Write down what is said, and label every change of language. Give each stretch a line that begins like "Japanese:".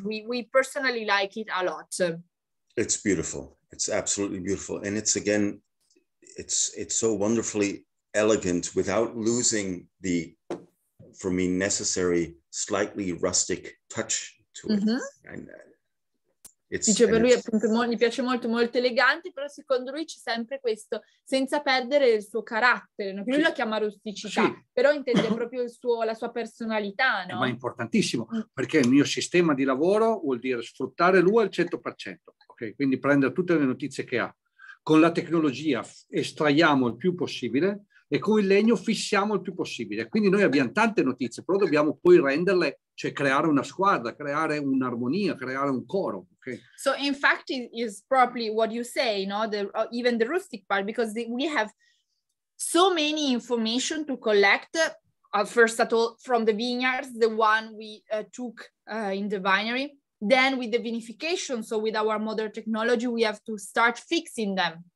English: We personally like it a lot. It's beautiful. It's absolutely beautiful. And it's, again, it's so wonderfully elegant without losing the, for me, necessary, slightly rustic touch to it. Mm-hmm.
Italian: Dice per lui, appunto, gli piace molto, molto elegante, però secondo lui c'è sempre questo, senza perdere il suo carattere, no? Lui la chiama rusticità, però intende proprio la sua personalità, no? Ma è importantissimo, perché il mio sistema di lavoro vuol dire sfruttare lui al 100%, okay? Quindi prendere tutte le notizie che ha. Con la tecnologia estraiamo il più possibile, e con il legno fissiamo il più possibile. Quindi noi abbiamo tante notizie, però dobbiamo poi renderle, cioè creare una squadra, creare un'armonia, creare un coro. Okay?
English: So in fact it is probably what you say, no? Even the rustic part, because we have so many information to collect. First of all, from the vineyards, the one we took in the winery. Then with the vinification, so with our modern technology, we have to start fixing them.